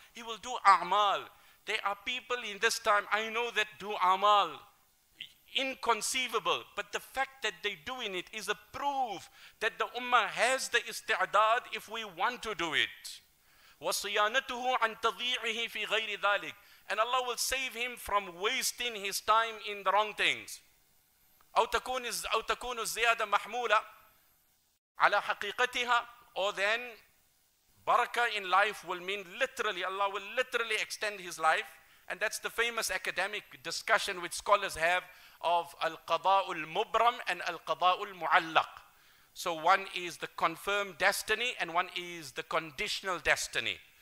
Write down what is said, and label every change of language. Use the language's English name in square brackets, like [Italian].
[English] He will do a'mal. There are people in this time, I know that do a'mal. Inconceivable. But the fact that they're doing it is a proof that the ummah has the isti'adad if we want to do it. [Arabic] وَصِيَانَتُهُ عَنْ تَضِيعِهِ فِي غَيْرِ ذَلِكِ. [English] And Allah will save him from wasting his time in the wrong things. [Arabic] أو تكون الزيادة محمولة على حقيقتها. [English] Or then, barakah in life will mean literally, Allah will literally extend his life. And that's the famous academic discussion which scholars have of al-qada'u al-mubram and al-qada'u al-mu'allaq. So one is the confirmed destiny and one is the conditional destiny.